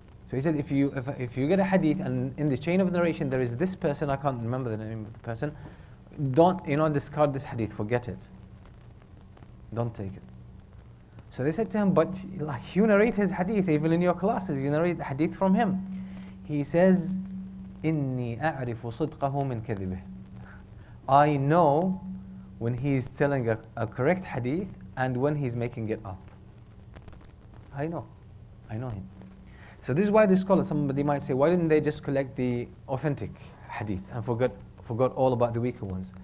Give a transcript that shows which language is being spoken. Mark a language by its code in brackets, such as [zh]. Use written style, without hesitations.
[en] So he said, if you get a hadith and in the chain of narration there is this person, I can't remember the name of the person, don't, you know, discard this hadith, forget it. Don't take it. So they said to him, but like you narrate his hadith, even in your classes, you narrate the hadith from him. He says, [ar] إِنِّي أَعْرِفُ صُدْقَهُ مِنْ كَذِبِهِ. [en] I know when he's telling a correct hadith and when he's making it up. I know him. So this is why the scholars, somebody might say, why didn't they just collect the authentic hadith and forgot all about the weaker ones?